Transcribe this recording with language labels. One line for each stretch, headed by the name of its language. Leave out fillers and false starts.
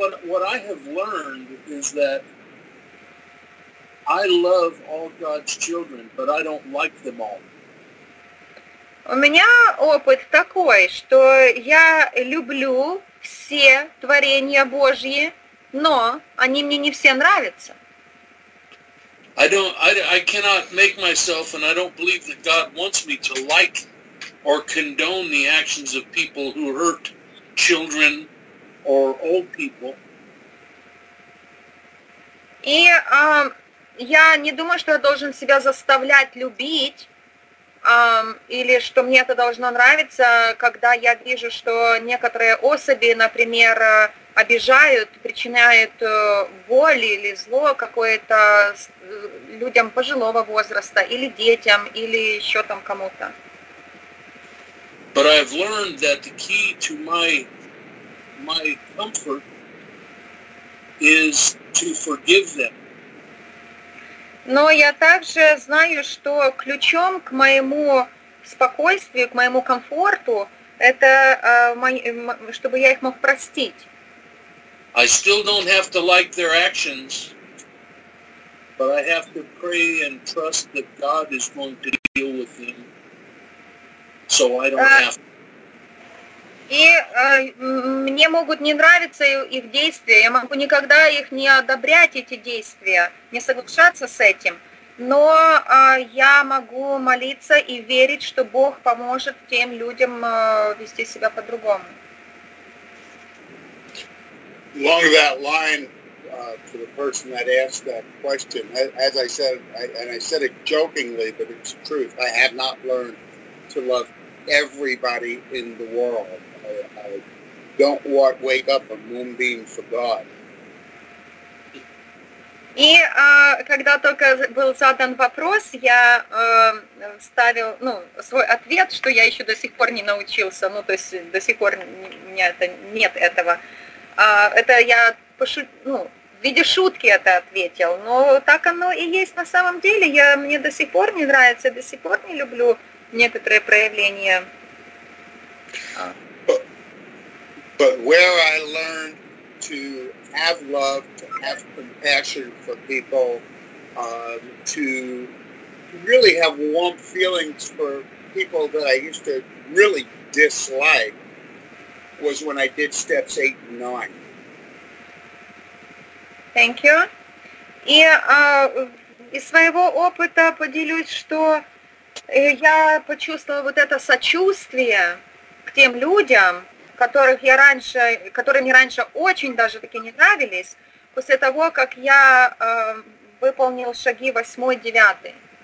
English: What I have learned is that I love all God's children, but I don't like them all.
Russian: У меня опыт такой, что я люблю все творения Божьи, но они мне не все нравятся.
English: I cannot make myself, and I don't believe that God wants me to like or condone the actions of people who hurt children or old people.
Russian: И я не думаю, что я должен себя заставлять любить, или что мне это должно нравиться, когда я вижу, что некоторые особи, например, обижают, причиняют боль или зло какое-то людям пожилого возраста, или детям, или еще там кому-то.
English: But I've learned that the key to my comfort is to forgive them.
Russian: Но я также знаю, что ключом к моему спокойствию, к моему комфорту это чтобы я их мог простить.
English: I still don't have to like their actions, but I have to pray and trust that God is going to deal with them, so I don't have to.
Russian: И мне могут не нравиться их действия, я могу никогда их не одобрять, эти действия, не соглашаться с этим, но я могу молиться и верить, что Бог поможет тем людям вести себя по-другому.
English: Along that line, to the person that asked that question, as I said, I said it jokingly, but it's the truth, I have not learned to love everybody in the world. I don't want wake up a moonbeam for God.
Russian: И когда только был задан вопрос, я ставил, ну, свой ответ, что я еще до сих пор не научился, ну, то есть до сих пор нет этого. Это я в виде шутки это ответил, но так оно и есть на самом деле. Мне до сих пор не нравится, до сих пор не люблю некоторые проявления.
English: But where I learned to have love, to have compassion for people, to really have warm feelings for people that I used to really dislike, was when I did steps 8 and 9. Thank you.
Russian: И из своего опыта поделюсь, что я почувствовала вот это сочувствие к тем людям, которые мне раньше очень даже таки не нравились, после того, как я выполнил шаги 8-9.